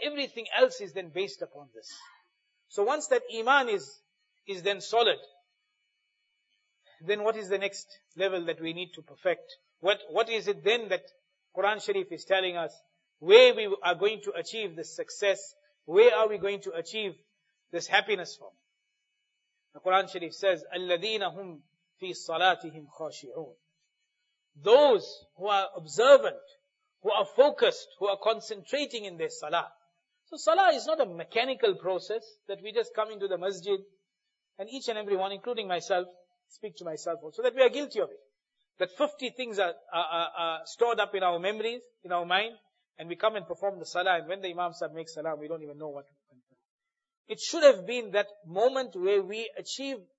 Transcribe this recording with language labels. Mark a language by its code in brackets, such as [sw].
[en] Everything else is then based upon this. So once that iman is then solid, then what is the next level that we need to perfect? What is it then that Quran Sharif is telling us? Where we are going to achieve this success? Where are we going to achieve this happiness from? The Quran Sharif says, [ar] أَلَّذِينَ هُمْ فِي صَلَاتِهِمْ خَاشِعُونَ. [en] Those who are observant, who are focused, who are concentrating in their salah. So salah is not a mechanical process that we just come into the masjid, and each and every one, including myself, speak to myself also, that we are guilty of it. That 50 things are stored up in our memories, in our mind, and we come and perform the salah, and when the Imam Sahib makes salam, we don't even know what happened. It should have been that moment where we achieve